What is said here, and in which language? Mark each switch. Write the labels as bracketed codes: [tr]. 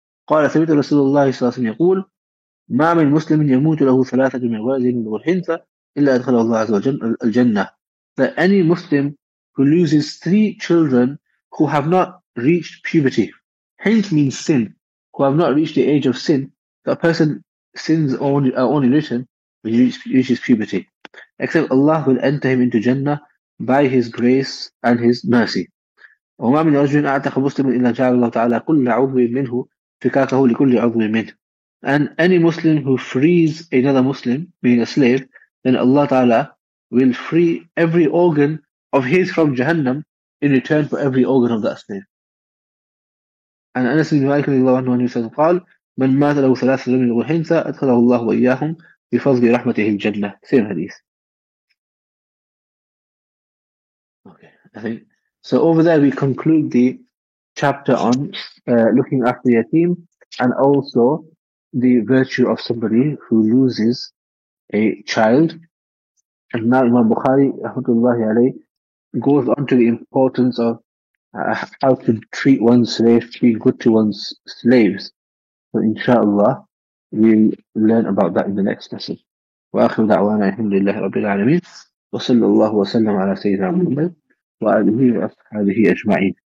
[ar] قال سمعت رسول الله صلى الله عليه وسلم يقول ما من مسلم يموت له ثلاثة من ولد من الحنثى إلا أدخله الله عز وجل الجنة. [en] That any Muslim who loses three children who have not reached puberty. Hinth means sin. Who have not reached the age of sin. That person sins are only written when he reaches puberty. Except Allah will enter him into Jannah by His grace and His mercy. [ar] وما من رجل أعتق مسلم إلا جعل الله تعالى كل عضو منه فكاكه لكل عضو منه. [en] And any Muslim who frees another Muslim, being a slave, then Allah Ta'ala will free every organ of his from Jahannam in return for every organ of that slave. And Anas bin Malik [ar] رضي الله عنه said, قال من مات له ثلاثة من الحنثى أدخله الله وإياهم بفضل رحمته الجنة. [en] Same hadith. Okay, I think so. Over there, we conclude the chapter on looking after the yatim and also the virtue of somebody who loses a child. And now Imam Bukhari, rahmatullahi alayh, goes on to the importance of how to treat one's slave, be good to one's slaves. So inshallah, we'll learn about that in the next lesson. [ar] وآخر دعوانا الحمد لله رب العالمين وصلى الله وسلم على سيدنا محمد وآله وأصحابه أجمعين.